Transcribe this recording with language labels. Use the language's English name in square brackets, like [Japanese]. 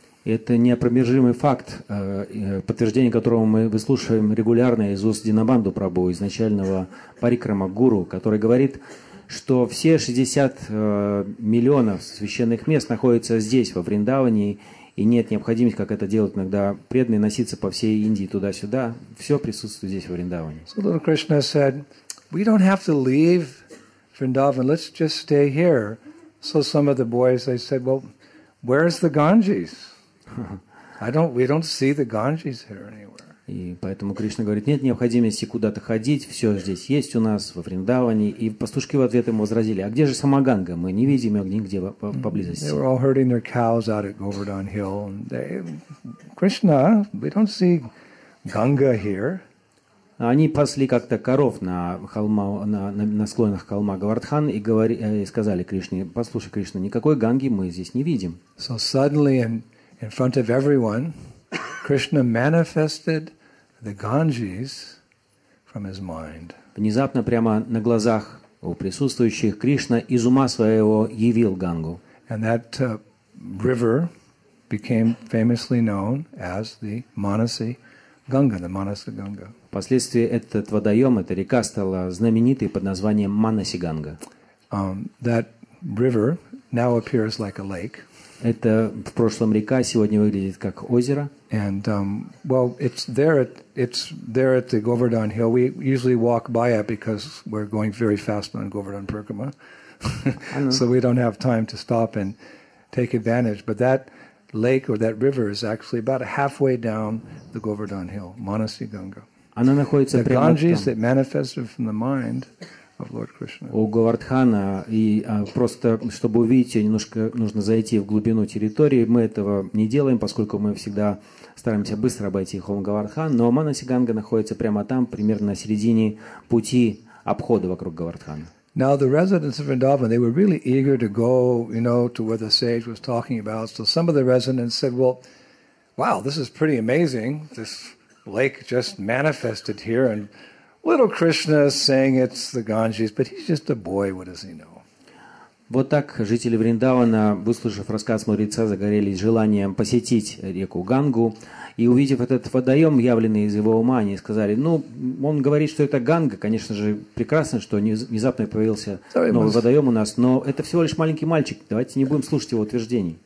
[Russian] Это неопровержимый факт, подтверждение которого мы выслушиваем регулярно из уст Динабанду Прабху, изначального парикрама гуру, который говорит, что все 60 миллионов священных мест находятся здесь, во Вриндаване, и нет необходимости, как это делают иногда преданные, носиться по всей Индии туда-сюда. Все присутствует здесь, во Вриндаване. [English] So Lord Krishna said, "We don't have to leave Vrindavan, let's just stay here." So some of the boys, they said, "Well, where's the Ganges? We don't see the Ganges here anywhere." [Russian] И поэтому Кришна говорит, нет необходимости куда-то ходить, все здесь есть у нас во Вриндаване. И пастушки в ответ ему возразили, а где же сама Ганга? Мы не видим ее нигде поблизости. [English] They were all herding their cows out at Govardhan Hill. Krishna, we don't see Ganga here. [Russian] Они пасли как-то коров на склонах холма Говардхан и сказали Кришне, послушай, Кришна, никакой Ганги мы здесь не видим. [English] So suddenly in front of everyone, Krishna manifested the Ganges from his mind. [Russian] Внезапно, прямо на глазах у присутствующих, Кришна из ума своего явил Гангу. [English] And that river became famously known as the Manasi Ganga, the Manasa Ganga. [Russian] Впоследствии этот водоем, эта река стала знаменитой под названием Манаси Ганга. [English] That river now appears like a lake. [Russian] Это в прошлом река, сегодня выглядит как озеро. [English] And well, it's there at the Govardhan Hill. We usually walk by it because we're going very fast on Govardhan Parikrama, so we don't have time to stop and take advantage. But that lake or that river is actually about halfway down the Govardhan Hill, Manasi Ganga. [Russian] Она находится прямо там. [English] The Ganges that manifested from the mind of Lord Krishna. [Russian] У Говардхана, и просто, чтобы увидеть, немножко нужно зайти в глубину территории. Мы этого не делаем, поскольку мы всегда стараемся быстро обойти холм Говардхан. Но Манаси Ганга находится прямо там, примерно на середине пути обхода вокруг Говардхана. [English] Now the residents of Vrindavan, they were really eager to go, you know, to where the sage was talking about. So some of the residents said, "Well, wow, this is pretty amazing. This lake just manifested here, and little Krishna is saying it's the Ganges, but he's just a boy. What does he know?" [Russian] Вот так жители Вриндавана, выслушав рассказ мудреца, загорелись желанием посетить реку Гангу. И увидев этот водоем, явленный из его ума, они сказали, ну, он говорит, что это Ганга, конечно же, прекрасно, что внезапно появился новый водоем у нас, но это всего лишь маленький мальчик, давайте не будем слушать его утверждений.